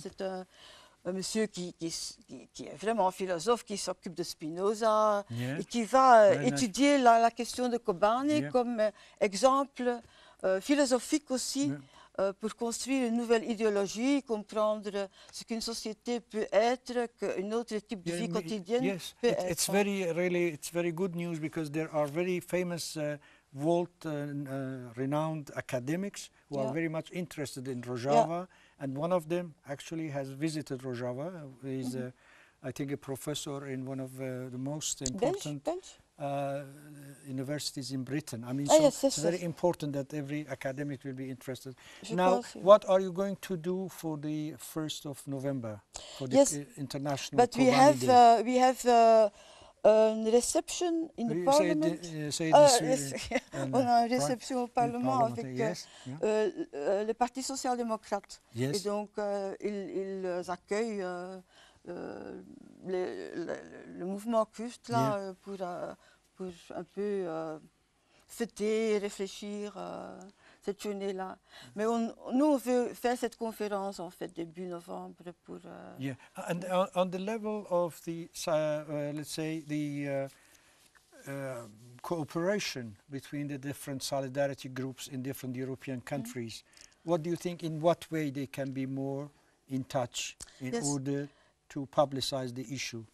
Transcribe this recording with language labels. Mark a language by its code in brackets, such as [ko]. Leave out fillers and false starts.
[fr] C'est un monsieur qui est vraiment un philosophe, qui s'occupe de Spinoza [en] yes, [fr] et qui va étudier la question de Kobani [en] yeah, [fr] comme exemple philosophique aussi, pour construire une nouvelle idéologie, comprendre ce qu'une société peut être, qu'un autre type de vie quotidienne peut être. [en] It's very, really, it's very good news because there are very famous world renowned academics who are very much interested in Rojava. Yeah. And one of them actually has visited Rojava. He's, I think, a professor in one of the most important universities in Britain. I mean, so it's very important that every academic will be interested. What are you going to do for the 1st of November, for the International But Kobani we have Day? We have a reception in the Parliament. [fr] On a reception au Parlement avec le Parti social-démocrate. [en] Yes. [fr] Et donc ils accueillent le mouvement kurde là pour un peu fêter, réfléchir cette journée-là. Mais nous, on veut faire cette conférence en fait début novembre pour. [en] And on the level of the let's say the cooperation between the different solidarity groups in different European countries, what do you think? In what way they can be more in touch in order to publicize the issue?